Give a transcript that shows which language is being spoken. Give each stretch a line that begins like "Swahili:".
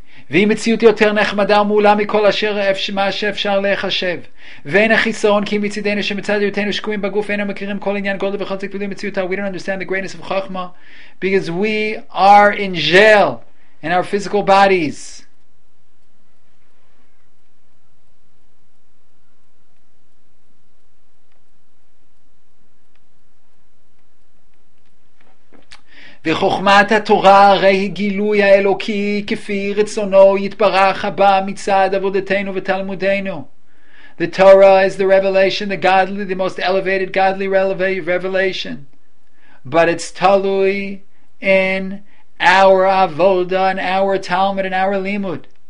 Hebrew: ואם מציאות יותר נחמדה ומעולה מכל אשר מה שאפשר להיחשב ואין החיסרון כי מצידנו שמצד היותנו שקועים בגוף אינו מכירים כל עניין גודל וחוזק ולא מציאותה.
English: We don't understand the greatness of Chochma because we are in jail in our physical bodies.
Hebrew: ואין וחוכמת התורה הרי גילוי האלוקי כפי רצונו יתברך הבא מצד עבודתנו ותלמודנו.
English: The Torah is the revelation, the godly, the most elevated godly revelation. But it's talui in our avoda and our Talmud and our limud.